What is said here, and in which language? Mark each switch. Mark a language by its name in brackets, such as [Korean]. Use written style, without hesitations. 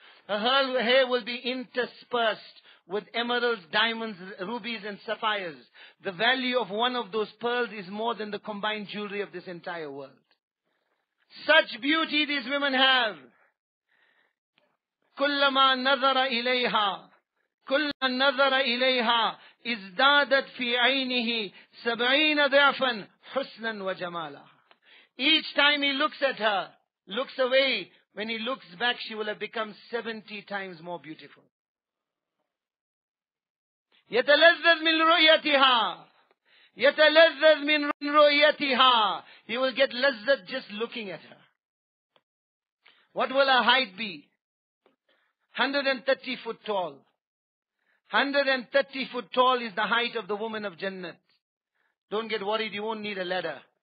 [English] Her hair will be interspersed with emeralds, diamonds, rubies and sapphires. The value of one of those pearls is more than the combined jewelry of this entire world. Such beauty these women have. [Arabic] كلما نظر إليها كل نظر إليها ازدادت في عينه سبعين ضعفا حسنا وجمالا. [English] Each time he looks at her, looks away, when he looks back, she will have become 70 times more beautiful. [Arabic] يتلذذ من رؤيتها يتلذذ من رؤيتها. [English] He will get lazzat just looking at her. What will her height be? 130 foot tall. 130 foot tall is the height of the woman of Jannat. Don't get worried, you won't need a ladder.